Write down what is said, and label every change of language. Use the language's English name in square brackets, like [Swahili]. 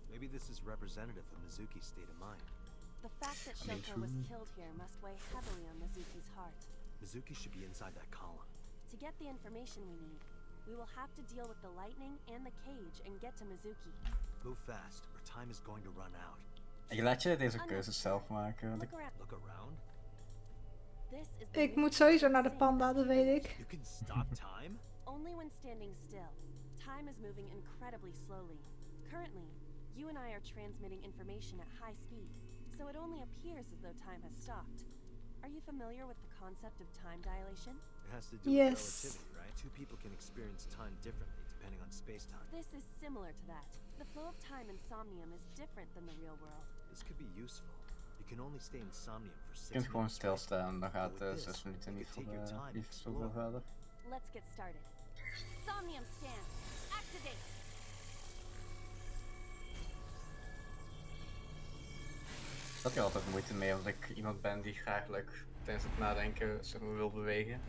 [English] Maybe this is representative of Mizuki's state of mind. The fact that Shoko was killed here must weigh heavily on Mizuki's heart. Mizuki should be inside that column. To get the information we need, we will have to deal with the lightning and the cage and get to Mizuki. Move fast, or time is going to run out. [Dutch] Ik laat je deze keuze zelf maken. [English] Look around. [Dutch] Ik moet sowieso naar de panda, dat weet ik. [English] You can stop time? Only when standing still. Time is moving incredibly slowly. Currently, you and I are transmitting information at high speed, so it only appears as though time has stopped. Are you familiar with the concept of time dilation? It has to do yes. with relativity, right? Two people can experience time differently depending on space-time. This is similar to that. The flow of time in Somnium is different than the real world. This could be useful. You can only stay in Somnium for 6 minutes. [Dutch] Je kunt gewoon stilstaan, dan gaat 6 minuten niet zoveel verder. [English] Let's get started. Somnium scan, activate! [Dutch] Ik had hier altijd moeite mee, omdat ik iemand ben die graag like, tijdens het nadenken zeg maar, wil bewegen.